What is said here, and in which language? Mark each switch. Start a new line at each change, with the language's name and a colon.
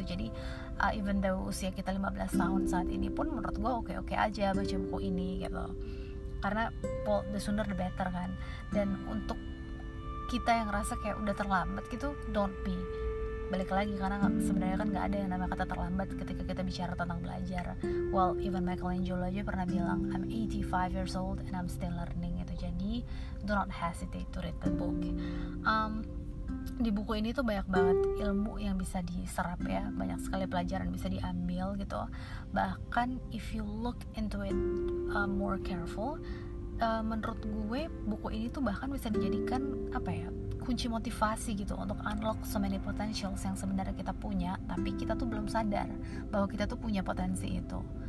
Indonesian: Jadi
English: even though
Indonesian: usia kita 15 tahun saat ini pun menurut gue oke-oke aja baca buku ini gitu. Karena
English: the sooner the better
Indonesian: kan. Dan untuk kita yang ngerasa kayak udah terlambat gitu,
English: don't be.
Indonesian: Balik lagi, karena sebenarnya kan gak ada yang namanya kata terlambat ketika kita bicara tentang belajar.
English: Well, even Michelangelo
Indonesian: aja pernah bilang,
English: I'm 85 years old and I'm still learning gitu. Jadi, do not hesitate to read the book.
Indonesian: Di buku ini tuh banyak banget ilmu yang bisa diserap ya. Banyak sekali pelajaran bisa diambil gitu. Bahkan,
English: if you look into it more careful,
Indonesian: menurut gue, buku ini tuh bahkan bisa dijadikan, apa ya, kunci motivasi gitu untuk
English: unlock so many potentials
Indonesian: yang sebenarnya kita punya, tapi kita tuh belum sadar bahwa kita tuh punya potensi itu.